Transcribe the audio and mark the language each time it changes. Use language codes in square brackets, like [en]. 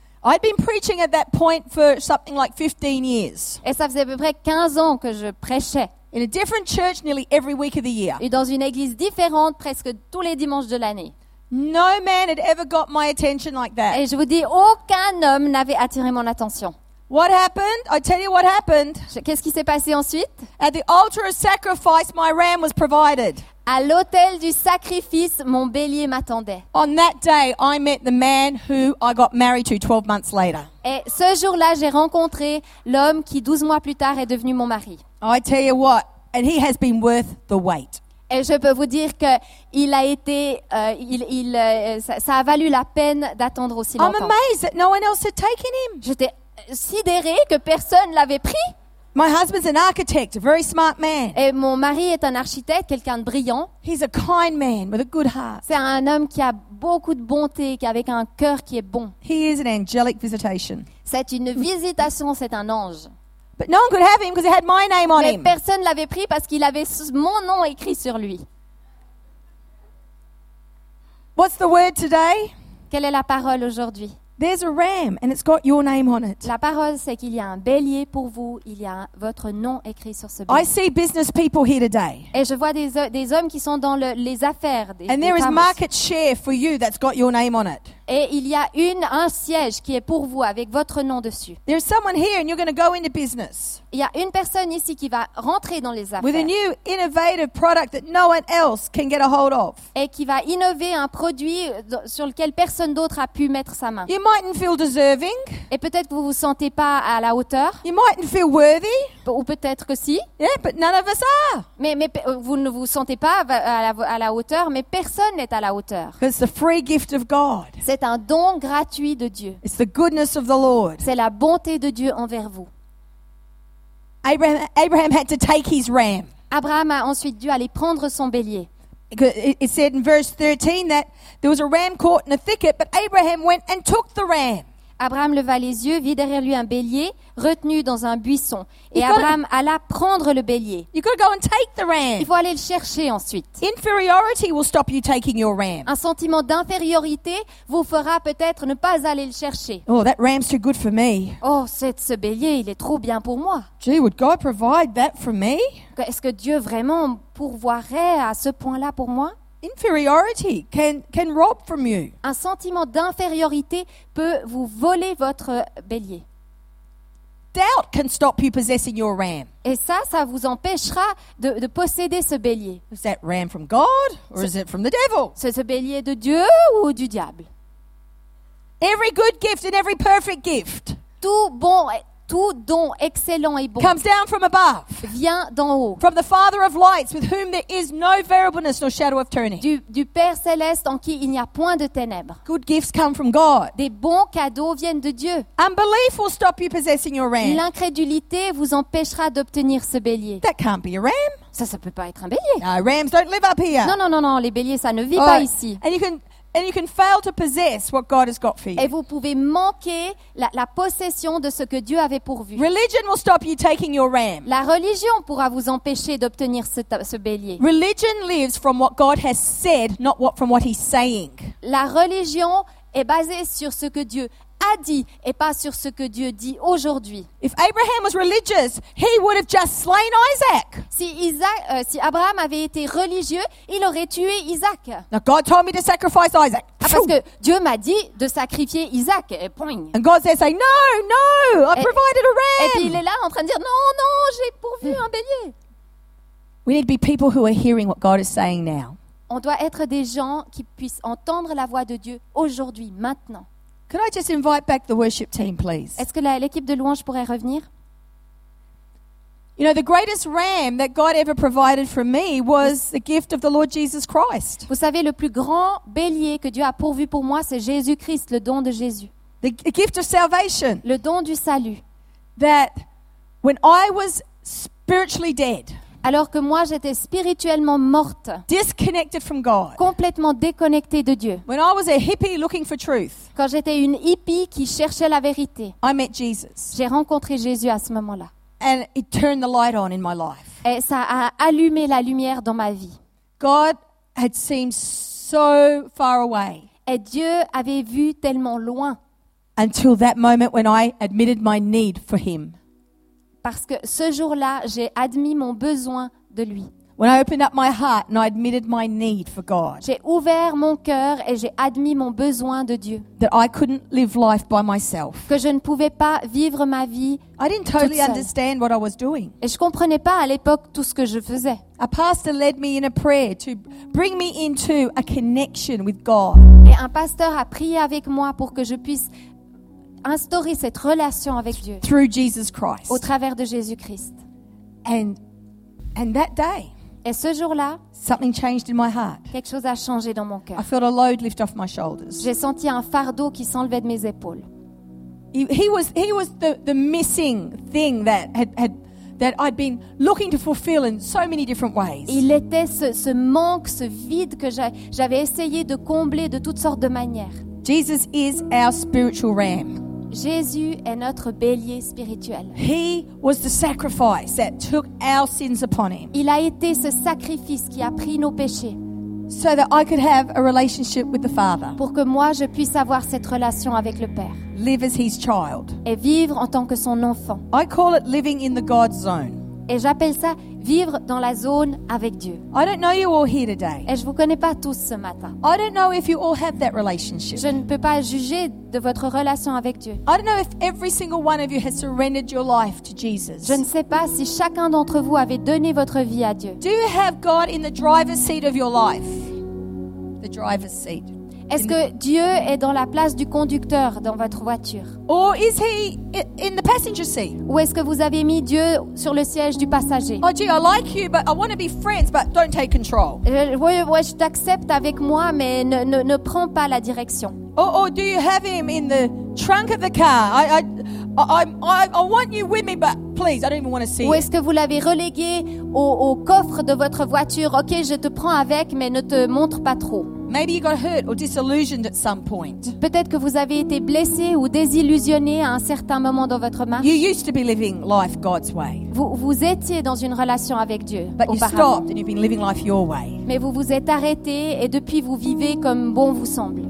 [en] I'd been preaching at that point for something like 15 years. [fr] Et ça faisait à peu près 15 ans que je prêchais. [en] In a different church nearly every week of the year. [fr] Et dans une église différente presque tous les dimanches de l'année. [en] No man had ever got my attention like that. [fr] Et je vous dis, aucun homme n'avait attiré mon attention. [en] What happened? I tell you what happened. [fr] Qu'est-ce qui s'est passé ensuite? [en] At the altar of sacrifice, my ram was provided. [fr] À l'autel du sacrifice, mon bélier m'attendait. [en] On that day, I met the man who I got married to 12 months later. [fr] Et ce jour-là, j'ai rencontré l'homme qui 12 mois plus tard est devenu mon mari. [en] I tell you what, and he has been worth the wait. [fr] Et je peux vous dire que il a été, ça a valu la peine d'attendre aussi longtemps. [en] I'm amazed that no one else had taken him. [fr] J'étais sidérée que personne l'avait pris. [en] My husband's an architect, a very smart man. [fr] Et mon mari est un architecte, quelqu'un de brillant. [en] He's a kind man with a good heart. [fr] C'est un homme qui a beaucoup de bonté, qui avec un cœur qui est bon. [en] He is an angelic visitation. [fr] C'est une visitation, c'est un ange. [en] But no one could have him because he had my name on [fr] him. Mais personne l'avait pris parce qu'il avait mon nom écrit sur lui. [en] What's the word today? [fr] Quelle est la parole aujourd'hui? [en] There's a ram and it's got your name on it. [fr] La parole c'est qu'il y a un bélier pour vous, il y a votre nom écrit sur ce bélier. [en] I see business people here today. [fr] Et je vois des hommes qui sont dans les affaires. [en] And there is market share for you that's got your name on it. [fr] Et il y a un siège qui est pour vous avec votre nom dessus. [en] There's someone here and you're going to go into business. [fr] Il y a une personne ici qui va rentrer dans les affaires. [en] With a new innovative product that no one else can get a hold of. [fr] Et qui va innover un produit sur lequel personne d'autre a pu mettre sa main. [en] You mightn't feel deserving. [fr] Et peut-être que vous vous sentez pas à la hauteur. [en] You mightn't feel worthy. [fr] Ou peut-être que si. [en] Yeah, but none of us are. [fr] Mais vous ne vous sentez pas à la hauteur, mais personne n'est à la hauteur. [en] It's the free gift of God. [fr] C'est un don gratuit de Dieu. [en] It's the goodness of the Lord. [fr] C'est la bonté de Dieu envers vous. [en] Abraham had to take his ram. [fr] Abraham a ensuite dû aller prendre son bélier. [en] It said in verse 13 that there was a ram caught in a thicket, but Abraham went and took the ram. [fr] Abraham leva les yeux, vit derrière lui un bélier retenu dans un buisson, et Abraham alla prendre le bélier. [en] You got to go and take the ram. [fr] Il faut aller le chercher ensuite. [en] Inferiority will stop you taking your ram. [fr] Un sentiment d'infériorité vous fera peut-être ne pas aller le chercher. [en] Oh, that ram's too good for me. [fr] Oh, ce bélier, il est trop bien pour moi. [en] Gee, would God provide that for me? [fr] Est-ce que Dieu vraiment pourvoirait à ce point-là pour moi? [en] Inferiority can rob from you. [fr] Un sentiment d'infériorité peut vous voler votre bélier. [en] Doubt can stop you possessing your ram. [fr] Et ça vous empêchera de posséder ce bélier. [en] Is that ram from God or is it from the devil? [fr] C'est ce bélier de Dieu ou du diable? [en] Every good gift and every perfect gift. [fr] Tout don excellent et bon [en] comes down from above, [fr] vient d'en haut. [en] From the Father of lights, with whom there is no variableness nor shadow of turning. [fr] Du Père céleste en qui il n'y a point de ténèbres. [en] Good gifts come from God. [fr] Des bons cadeaux viennent de Dieu. [en] Unbelief will stop you possessing your ram. [fr] L'incrédulité vous empêchera d'obtenir ce bélier. [en] That can't be a ram. [fr] Ça peut pas être un bélier. [en] No, rams don't live up here. [fr] Non, les béliers ça ne vit pas ici. [en] And you can fail to possess what God has got for you. [fr] Et vous pouvez manquer la possession de ce que Dieu avait pourvu. [en] Religion will stop you taking your ram. [fr] La religion pourra vous empêcher d'obtenir ce bélier. [en] Religion lives from what God has said, not what from what He's saying. [fr] La religion est basée sur ce que Dieu a dit et pas sur ce que Dieu dit aujourd'hui. [en] If Abraham was religious, he would have just slain Isaac. [fr] Si Abraham avait été religieux, il aurait tué Isaac. [en] Now God told me to sacrifice Isaac. [fr] Ah, parce que Dieu m'a dit de sacrifier Isaac. Et poing. [en] And God says, "No, no, I provided a ram." [fr] Et puis il est là en train de dire, non, j'ai pourvu un bélier. [en] We need to be people who are hearing what God is saying now. [fr] On doit être des gens qui puissent entendre la voix de Dieu aujourd'hui, maintenant. [en] Could I just invite back the worship team, please? [fr] Est-ce que l'équipe de louange pourrait revenir? [en] You know, the greatest ram that God ever provided for me was the gift of the Lord Jesus Christ. [fr] Vous savez, le plus grand bélier que Dieu a pourvu pour moi, c'est Jésus-Christ, le don de Jésus. [en] The gift of salvation. [fr] Le don du salut. [en] That when I was spiritually dead. [fr] Alors que moi, j'étais spirituellement morte. [en] Disconnected from God. [fr] Complètement déconnectée de Dieu. [en] When I was a hippie looking for truth. [fr] Quand j'étais une hippie qui cherchait la vérité. [en] I met Jesus. [fr] J'ai rencontré Jésus à ce moment-là. [en] And it turned the light on in my life. [fr] Et ça a allumé la lumière dans ma vie. [en] God had seemed so far away. [fr] Et Dieu avait vu tellement loin. [en] Until that moment when I admitted my need for him. [fr] Parce que ce jour-là, j'ai admis mon besoin de lui. [en] When I opened up my heart and I admitted my need for God. [fr] J'ai ouvert mon cœur et j'ai admis mon besoin de Dieu. [en] That I couldn't live life by myself. [fr] Que je ne pouvais pas vivre ma vie [en] I didn't totally [fr] toute seule. [en] Understand what I was doing. [fr] Et je comprenais pas à l'époque tout ce que je faisais. [en] A pastor led me in a prayer to bring me into a connection with God. [fr] Et un pasteur a prié avec moi pour que je puisse instaurer cette relation avec Dieu. [en] Through Jesus Christ. [fr] Au travers de Jésus-Christ. [en] And that day [fr] Et ce jour-là, [en] something changed in my heart. [fr] Quelque chose a changé dans mon cœur. [en] I felt a load lift off my shoulders. [fr] J'ai senti un fardeau qui s'enlevait de mes épaules. [en] He was the missing thing that I'd been looking to fulfill in so many different ways. [fr] Il était ce manque, ce vide que j'avais essayé de combler de toutes sortes de manières. [en] Jesus is our spiritual ram. [fr] Jésus est notre bélier spirituel. [en] He was the sacrifice that took our sins upon him. [fr] Il a été ce sacrifice qui a pris nos péchés. [en] So that I could have a relationship with the Father. [fr] Pour que moi je puisse avoir cette relation avec le Père. [en] Live as his child. [fr] Et vivre en tant que son enfant. [en] I call it living in the God zone. [fr] Et j'appelle ça vivre dans la zone avec Dieu. [en] I don't know you all here today. [fr] Et je vous connais pas tous ce matin. [en] I don't know if you all have that relationship. [fr] Je ne peux pas juger de votre relation avec Dieu. [en] I don't know if every single one of you has surrendered your life to Jesus. [fr] Je ne sais pas si chacun d'entre vous avait donné votre vie à Dieu. [en] Do you have God in the driver's seat of your life? The driver's seat. [fr] Est-ce que Dieu est dans la place du conducteur dans votre voiture? [en] Or is he in the passenger seat? [fr] Ou est-ce que vous avez mis Dieu sur le siège du passager? [en] Oh, gee, I like you, but I want to be friends, but don't take control. [fr] Ouais, je t'accepte avec moi, mais ne prends pas la direction. [en] Or do you have him in the trunk of the car? I want you with me, but please, I don't even want to see. [fr] Ou est-ce que vous l'avez relégué au coffre de votre voiture? Ok, je te prends avec, mais ne te montre pas trop. [en] Maybe you got hurt or disillusioned at some point. [fr] Peut-être que vous avez été blessé ou désillusionné à un certain moment dans votre marche. [en] You used to be living life God's way. [fr] Vous étiez dans une relation avec Dieu. [en] But you stopped and you've been living life your way. [fr] Mais vous vous êtes arrêté et depuis vous vivez comme bon vous semble.